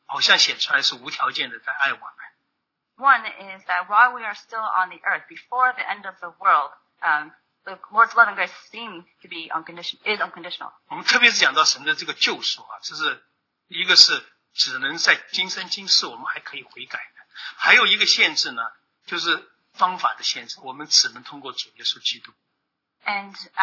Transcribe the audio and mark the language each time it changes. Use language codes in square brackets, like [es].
[zh] 在世界末日还没有来临的时候，这个时候神确实好像显出来是无条件的在爱我们。 [en] One is that while we are still on the earth, before the end of the world, the Lord's love and grace seem to be unconditional. [zh] 我们特别是讲到神的这个救赎，就是一个是只能在今生今世我们还可以悔改的，还有一个限制呢，就是方法的限制，我们只能通过主耶稣基督。 [en] And